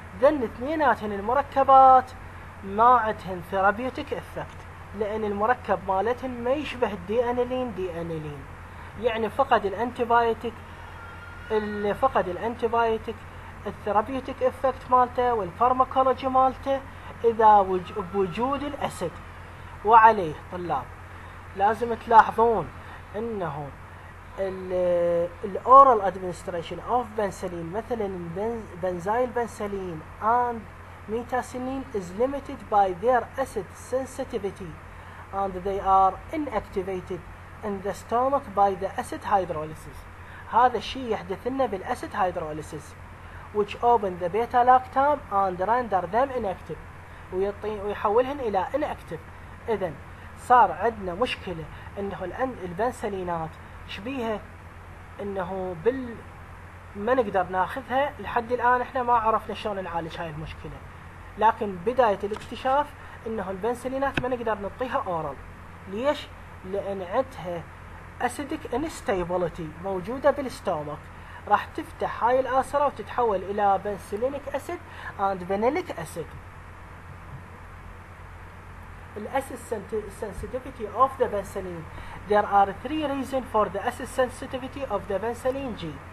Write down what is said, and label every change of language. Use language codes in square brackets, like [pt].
[ar] ذن اثنيناتهن المركبات ما عندهن ثيرابيوتيك افكت لان المركب مالتهن ما يشبه الدي انيلين دي انيلين، يعني فقد الانتيبايوتيك اللي فقد الانتيبايوتيك الثيرابيوتيك افكت مالته والفارماكولوجي مالته اذا بوجود الاسيد. وعليه طلاب لازم تلاحظون انه [en] الـ oral administration of penicillin, مثلا benzyl penicillin and methicillin is limited by their acid sensitivity and they are inactivated in the stomach by the acid hydrolysis. [ar] هذا الشيء يحدث لنا بالأسيد [en] hydrolysis which open the beta lactam and render them inactive [ar] ويحولهن إلى [en] inactive. [ar] إذن صار عندنا مشكلة أنه البنسلينات شبيهة أنه بال ما نقدر ناخذها لحد الآن إحنا ما عرفنا شلون نعالج هاي المشكلة. لكن بداية الاكتشاف أنه البنسلينات ما نقدر نعطيها أورال. ليش؟ لأن عندها acidic instability موجودة بالستومك راح تفتح هاي الآسرة وتتحول إلى بنسلينيك أسيد [en] and vanillic acid. الأسيد sensitivity of the penicillin. There are three reasons for the acid sensitivity of the penicillin G.